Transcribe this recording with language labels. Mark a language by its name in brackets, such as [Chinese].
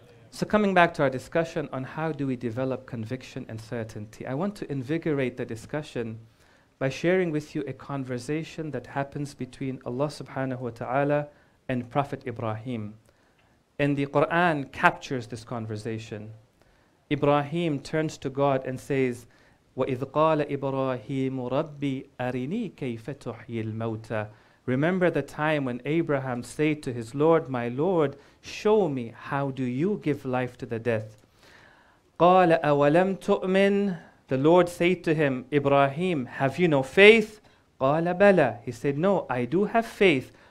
[English] So coming back to our discussion on how do we develop conviction and certainty, I want to invigorate the discussion by sharing with you a conversation that happens between Allah subhanahu wa ta'ala and Prophet Ibrahim. And the Quran captures this conversation. Ibrahim turns to God and says, [Arabic] وَإِذْ قَالَ إِبْرَاهِيمُ رَبِّي أَرِنِي كَيْفَ تُحْيِي الْمَوْتَى. [English] Remember the time when Abraham said to his Lord, my Lord, show me, how do you give life to the dead? [Arabic] قَالَ أَوَلَمْ تُؤْمِنْ. [English] The Lord said to him, Ibrahim, have you no faith? [Arabic] قَالَ بَلَى. [English] He said, no, I do have faith.